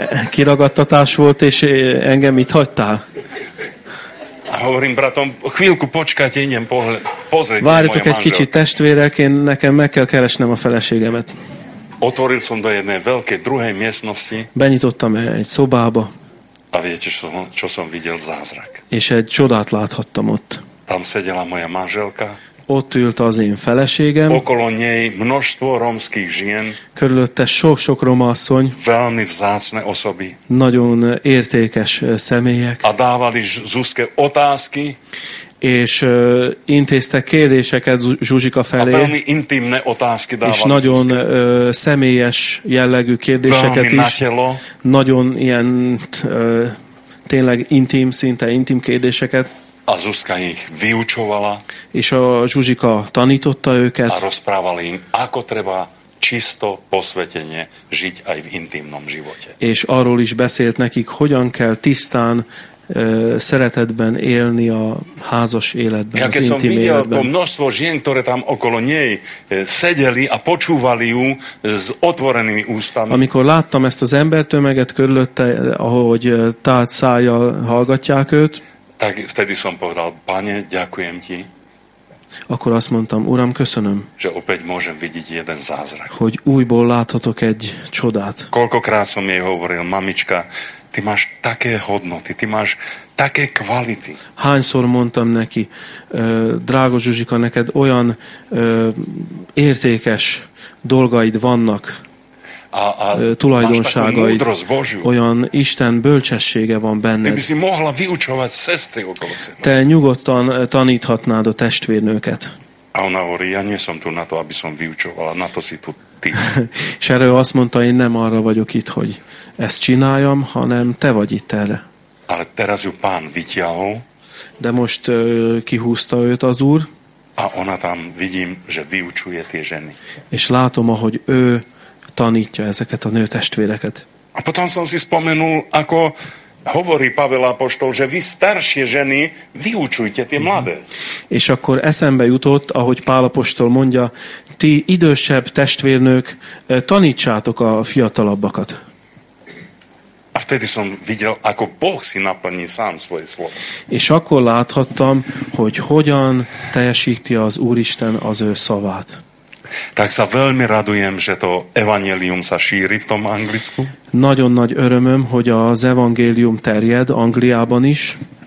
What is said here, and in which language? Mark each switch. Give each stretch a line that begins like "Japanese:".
Hungarian: Kiragadtatás volt, és engem itt hagytál.
Slovak: A hovorím, bratom, chvíľku počkajte, idem pozrieť.
Hungarian: Várjatok egy kicsit, testvérek, én nekem meg kell keresnem a feleségemet.
Slovak: Otvoril som do jednej veľkej druhej miestnosti.
Hungarian: Benyitottam egy szobába.
Slovak: A viete, čo som videl zázrak.
Hungarian: És egy csodát láthattam ott.
Slovak: Tam sedela moja manželka.
Hungarian: Ott ült az én feleségem.
Slovak: Okolo nej množstvo romských žien.
Hungarian: Körülötte sok-sok roma asszony.
Slovak: Veľmi vzácne osoby.
Hungarian: Nagyon értékes személyek.
Slovak: A dávali Zuzke otázky.
Hungarian: És intéztek kérdéseket Zsuzsika felé.
Slovak: A veľmi intimné otázky dávali
Hungarian: És nagyon
Slovak: Zuzke.
Hungarian: Személyes jellegű kérdéseket
Slovak: veľmi
Hungarian: is.
Slovak: Veľmi na telo.
Hungarian: Nagyon ilyen tényleg intim, szinte intim kérdéseket.
Slovak: A Zuzka ich vyučovala.
Hungarian: És a Zsuzsika tanította őket.
Slovak: A rozprávali im, ako treba čisto posvetenie žiť aj v intimnom živote.
Hungarian: És arról is beszélt nekik, hogyan kell tisztán szeretetben élni a házas életben, ja, az intim életben.
Slovak: Ja keď som videl to množstvo žien, ktoré tam okolo nej sedeli a počúvali ju s otvorenými ústami.
Hungarian: Amikor láttam ezt az embertömeget körülötte, ahogy tárt szájjal hallgatják őt,
Slovak: tak vtedy som povedal, Pane, ďakujem ti.
Hungarian: Akkor azt mondtam, Uram, köszönöm.
Slovak: Že opäť môžem vidieť jeden zázrak.
Hungarian: Hogy újból láthatok egy csodát.
Slovak: Koľkokrát som jej hovoril, mamička, ty máš také hodnoty, ty máš také kvality.
Hungarian: Hányszor mondtam neki, drága Zsuzsika, neked olyan értékes dolgaid vannak, a tulajdonságai, olyan Isten bölcsessége van benned.
Slovak: Ty by si mohla vyučovať sestry okolo seba.
Hungarian: Te nyugodtan taníthatnád a testvérnőket.
Slovak: A ona hovorí, ja nie som tu na to, aby som vyučovala, na to si tu ty.
Hungarian: És erre azt mondta, én nem arra vagyok itt, hogy ezt csináljam, hanem te vagy itt erre.
Slovak: Ale teraz ju pán vytiahol.
Hungarian: De most kihúzta őt az úr.
Slovak: A ona tam vidím, že vyučuje tie ženy.
Hungarian: És látom, ahogy ő tanítja ezeket a nőtestvéreket.
Slovak: A potom som si spomenul, ako hovorí Pavel apoštol, že vy staršie ženy vyučujte tie mladé.
Hungarian: És akkor eszembe jutott, ahogy Pál apostol mondja, ti idősebb testvérnők, tanítsátok a fiatalabbakat.
Slovak: A vtedy som videl, ako Boh si naplní sám svoje slovo.
Hungarian: És akkor láthattam, hogy hogyan teljesíti az Úristen az ő szavát.
Slovak: Tak sa veľmi radujem, že to evanjelium sa šíri v tom Anglicku.
Hungarian: Nagyon nagy örömöm, hogy az evangélium terjed Angliában is.